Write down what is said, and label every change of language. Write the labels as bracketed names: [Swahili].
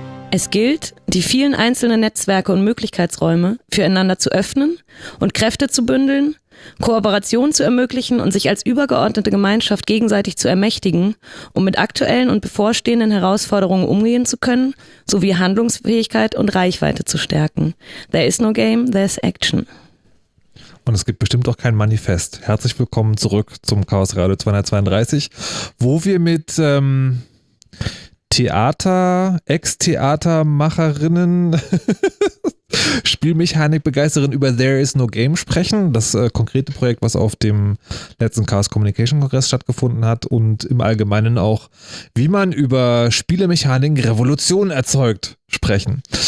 [German] Es gilt, die vielen einzelnen Netzwerke und Möglichkeitsräume füreinander zu öffnen und Kräfte zu bündeln, Kooperation zu ermöglichen und sich als übergeordnete Gemeinschaft gegenseitig zu ermächtigen, um mit aktuellen und bevorstehenden Herausforderungen umgehen zu können, sowie Handlungsfähigkeit und Reichweite zu stärken. [English] There is no game, there's action. [German] Und es gibt bestimmt auch kein Manifest. Herzlich willkommen zurück zum Chaos Radio 232, wo wir mit Theater, Ex-Theatermacherinnen, Spielmechanik-Begeisterin über There is No Game sprechen, das konkrete Projekt, was auf dem letzten Chaos Communication Kongress stattgefunden hat und im Allgemeinen auch, wie man über Spielemechaniken Revolution erzeugt, sprechen.